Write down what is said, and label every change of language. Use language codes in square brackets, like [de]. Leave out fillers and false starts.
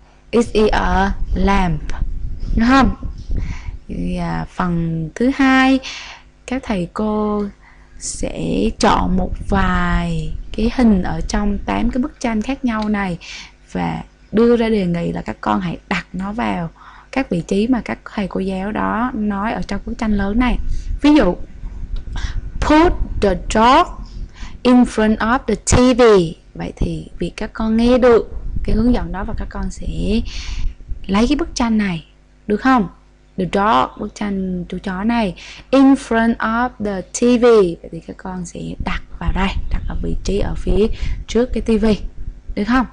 [en] Is it a lamp? [vi] Đúng không? Phần thứ hai, các thầy cô sẽ chọn một vài cái hình ở trong 8 cái bức tranh khác nhau này và đưa ra đề nghị là các con hãy đặt nó vào các vị trí mà các thầy cô giáo đó nói ở trong bức tranh lớn này. Ví dụ, [en] put the dog in front of the TV. [vi] Vậy thì vì các con nghe được cái hướng dẫn đó và các con sẽ lấy cái bức tranh này được không? [en] The dog, [vi] bức tranh chú chó này, [en] in front of the TV. [vi] Vậy thì các con sẽ đặt vào đây, đặt ở vị trí ở phía trước cái TV. Được không?